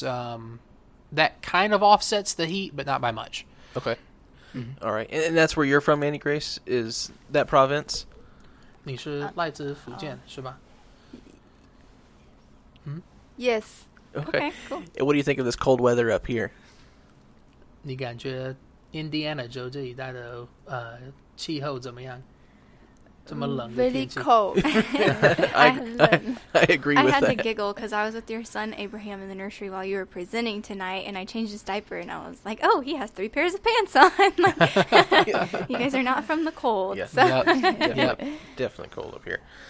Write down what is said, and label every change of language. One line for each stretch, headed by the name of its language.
English: that kind of offsets the heat, but not by much. Okay. Mm-hmm. All right. And that's where you're from, Annie Grace, is that province? Fujian, Shiba. Yes. Okay. Cool. And what do you think of this cold weather up here?
Chinese: 你感觉印第安纳州这一带的气候怎么样?
English: Really cold. I agree with that. I had to giggle because I was with your son, Abraham, in the nursery while you were presenting tonight, and I changed his diaper, and I was like, oh, he has three pairs of pants on. You guys are not from the cold. Yeah. So. Yep. Definitely cold up here.